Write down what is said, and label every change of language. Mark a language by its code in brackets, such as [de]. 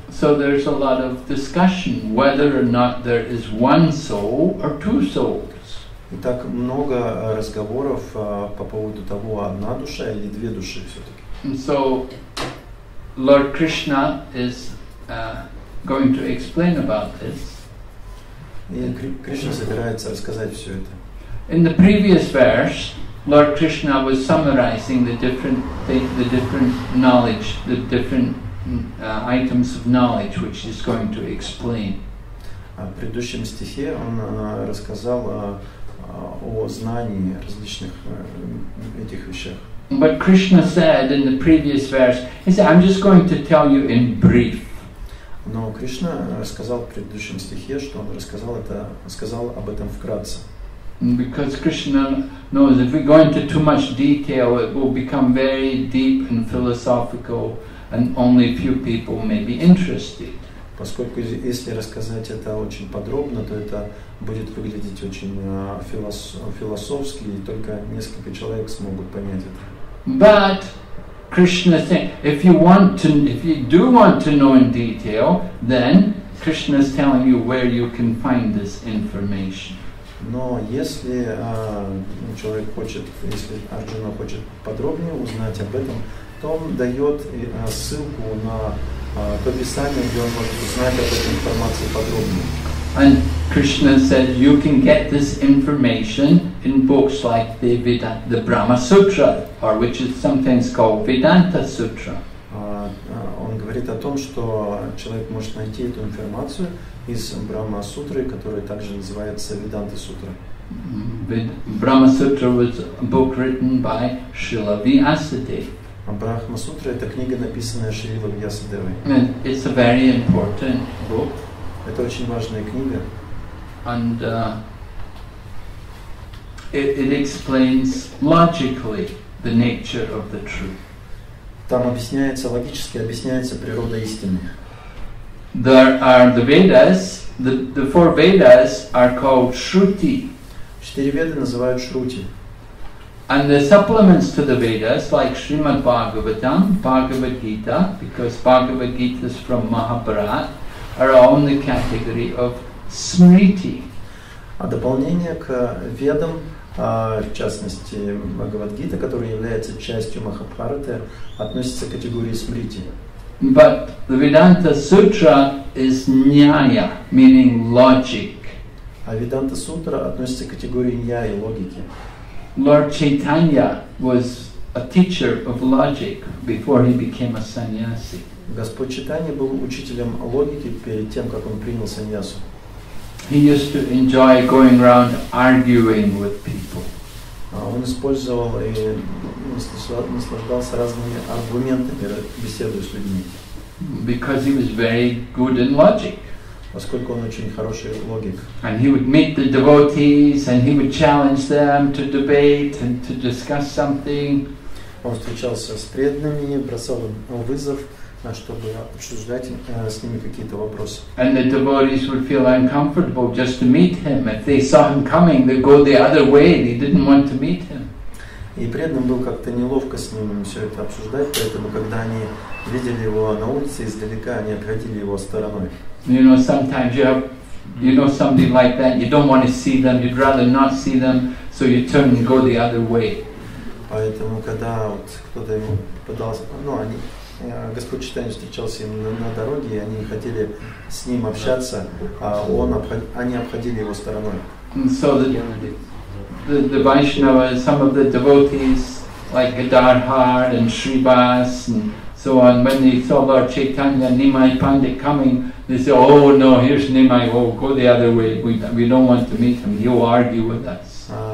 [en] So there is a lot of discussion whether or not there is one soul or two souls. [ru] Итак, много разговоров по поводу того, одна душа или две души все-таки. [en] So Lord Krishna is going to explain about this. [ru] И Кришна собирается рассказать все это. [en] In the previous verse, Lord Krishna was summarizing the different knowledge, the different items of knowledge which he's going to explain. [ru] В предыдущем стихе он рассказал о знании различных этих вещах. [en] But Krishna said in the previous verse, he said, I'm just going to tell you in brief. [ru] Но Кришна рассказал в предыдущем стихе, что он сказал об этом вкратце. [en] Because Krishna knows if we go into too much detail, it will become very deep and philosophical, and only few people may be interested. [ru] Поскольку если рассказать это очень подробно, то это будет выглядеть очень философски, и только несколько человек смогут понять это. [en] But Krishna said, if you do want to know in detail, then Krishna is telling you where you can find this information. [ru] Но если человек хочет, если Арджуна хочет подробнее узнать об этом, то он дает ссылку на то писание, где он может узнать об этой информации подробнее. [en] And Krishna said, you can get this information in books like the Vedanta, the Brahma Sutra, or which is sometimes called Vedanta Sutra. [ru] Он говорит о том, что человек может найти эту информацию из Брахма-сутры, которая также называется Веданта-сутра. [en] Брахма-сутра was a book written by Шрила Вьясадева. [ru] Брахма-сутра — это книга, написанная Шрилой Вьясадевой. [en] It's a very important book. [ru] Это очень важная книга. [en] And it explains logically the nature of the truth. [ru] Там объясняется логически, объясняется природа истины. [en] There are the Vedas. The four Vedas are called Shruti. [ru] Четыре Веды называют Шрути. [en] And the supplements to the Vedas, like Srimad Bhagavatam, Bhagavad Gita, because Bhagavad Gita is from Mahabharata, are all in the category of Smriti. [ru] А дополнение к Ведам, в частности Бхагавад Гита, которая является частью Махабхараты, относится к категории Смрити. [en] But the Vedanta Sutra is Nyaya, meaning logic. [ru] А Vedanta Sutra относится к категории Nyaya, логики. [en] Lord Chaitanya was a teacher of logic before he became a sannyasi. [ru] Господь Чайтанья был учителем логики перед тем, как он принял саньясу. [en] He used to enjoy going around arguing with people. [ru] Он использовал и наслаждался разными аргументами, беседуя с людьми. [en] Because he was very good in logic. [ru] Поскольку он очень хороший логик. [en] And he would meet the devotees, and he would challenge them to debate and to discuss something. [ru] Он встречался с преданными, бросал им вызов, чтобы обсуждать с ними какие-то вопросы. [en] And the devotees would feel uncomfortable just to meet him. If they saw him coming, they'd go the other way. They didn't want to meet him. [ru] И преданным было как-то неловко с ним все это обсуждать, поэтому когда они видели его на улице издалека, они обходили его стороной. [en] You know, sometimes you have, you know, somebody like that. You don't want to see them. You'd rather not see them. So you turn and go the other way. [ru] Поэтому когда вот кто-то ему попадался, ну они Господь Чайтанья встречался им на дороге, и они хотели с ним общаться, а они обходили его стороной. [en] So the Vaishnava, some of the devotees, like Gadadhar and Shribas and so on, when they saw Lord Chaitanya and Nimai Pandit coming, they said, oh no, here's Nimai, oh, go the other way, we don't want to meet him, he'll argue with us.